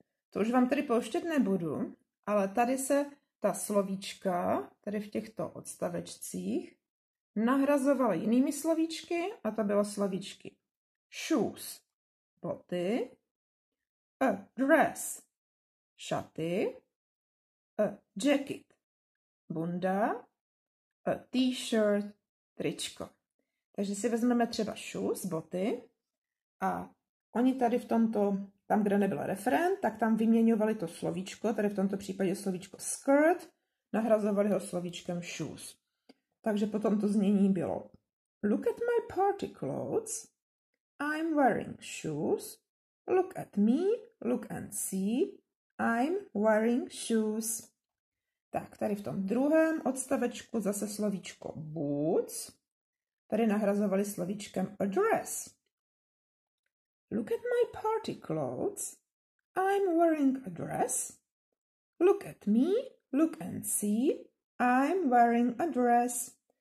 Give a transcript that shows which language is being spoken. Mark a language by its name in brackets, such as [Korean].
[Czech] To už vám tady pouštět nebudu, ale tady se ta slovíčka, tady v těchto odstavečcích, nahrazovala jinými slovíčky a to bylo slovíčky shoes, boty, a dress, šaty, a jacket, bunda, a t-shirt, tričko. Takže si vezmeme třeba shoes, boty a oni tady v tomto, tam, kde nebyl refrén, tak tam vyměňovali to slovíčko, tady v tomto případě slovíčko skirt, nahrazovali ho slovíčkem shoes. Takže potom to znění bylo [English] Look at my party clothes, I'm wearing shoes, look at me, look and see, I'm wearing shoes. [Czech] Tak, tady v tom druhém odstavečku zase slovíčko boots, tady nahrazovali slovíčkem a dress. [English] Look at my party clothes. I'm wearing a dress. Look at me. Look and see. I'm wearing a dress.